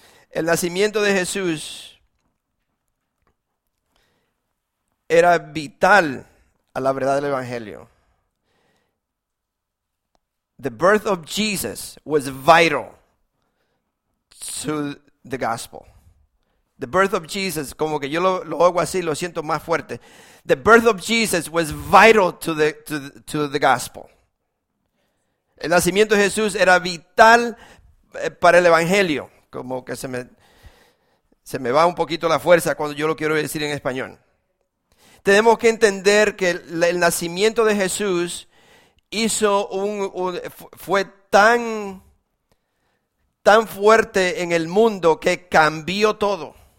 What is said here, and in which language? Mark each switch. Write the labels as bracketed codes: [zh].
[es] El nacimiento de Jesús era vital a la verdad del Evangelio. [en] The birth of Jesus was vital to the gospel. The birth of Jesus, [es] como que yo lo hago así, lo siento más fuerte. [en] The birth of Jesus was vital to the gospel. [es] El nacimiento de Jesús era vital para el evangelio. Como que se me va un poquito la fuerza cuando yo lo quiero decir en español. Tenemos que entender que el nacimiento de Jesús hizo fue tan fuerte en el mundo que cambió todo.